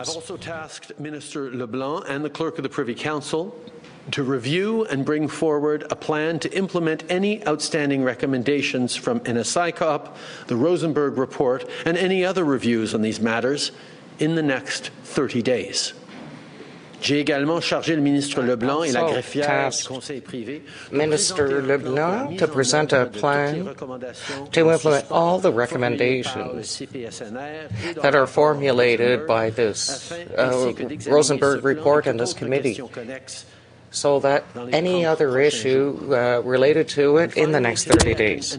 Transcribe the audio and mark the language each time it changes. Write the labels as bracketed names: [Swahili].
[English] I've also tasked Minister LeBlanc and the Clerk of the Privy Council to review and bring forward a plan to implement any outstanding recommendations from NSICOP, the Rosenberg Report, and any other reviews on these matters in the next 30 days. [French] J'ai également chargé le ministre Leblanc et la greffière du conseil privé. [English] Minister Leblanc to present a plan to implement all the recommendations that are formulated by this Rosenberg report and this committee, so that any other issue related to it in the next 30 days.